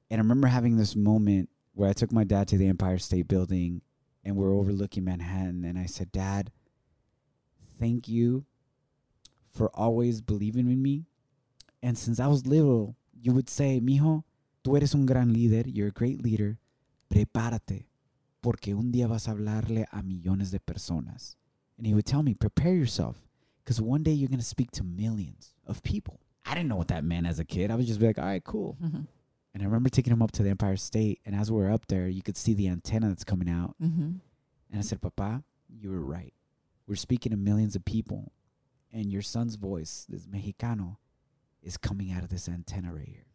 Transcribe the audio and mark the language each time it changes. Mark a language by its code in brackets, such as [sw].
[en] And I remember having this moment where I took my dad to the Empire State Building and we're overlooking Manhattan. And I said, Dad, thank you for always believing in me. And since I was little, you would say, mijo, [es] tú eres un gran líder, [en] you're a great leader. [es] Prepárate, porque un día vas a hablarle a millones de personas. [en] And he would tell me, prepare yourself, because one day you're going to speak to millions of people. I didn't know what that meant as a kid. I would just be like, all right, cool. Mm-hmm. And I remember taking him up to the Empire State, and as we were up there, you could see the antenna that's coming out. Mm-hmm. And I said, Papa, you were right. We're speaking to millions of people, and your son's voice, this Mexicano, is coming out of this antenna right here.